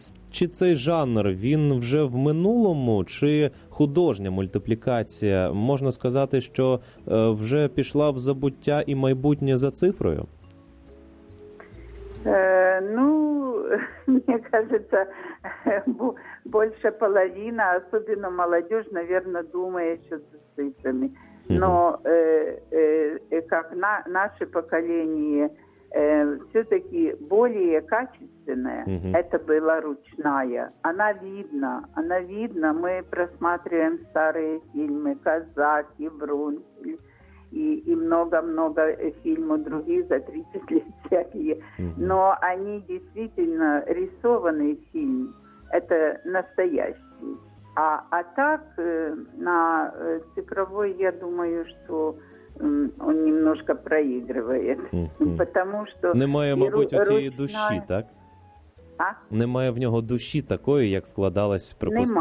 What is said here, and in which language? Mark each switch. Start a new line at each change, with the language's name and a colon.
Ukrainian: Чи цей жанр, він вже в минулому, чи художня мультиплікація, можна сказати, що вже пішла в забуття і майбутнє за цифрою? Ну, мені кажеться, більше половина, особливо молодіж, мабуть, думає, що за цифрами.
Russian: Но
Ukrainian: як наше покоління,
Russian: все-таки более качественная, это была ручная. Она видна. Мы просматриваем старые фильмы «Казаки», «Врунгель» и много-много фильмов других за 30 лет всякие. Но они действительно рисованный фильм. Это настоящий. А так, на цифровой, я думаю, что он немножко проигрывает. Потому что...
Ukrainian: Немає, мабуть, у тієї душі, так? А? Немає в нього душі такої, як вкладалась, припустимо.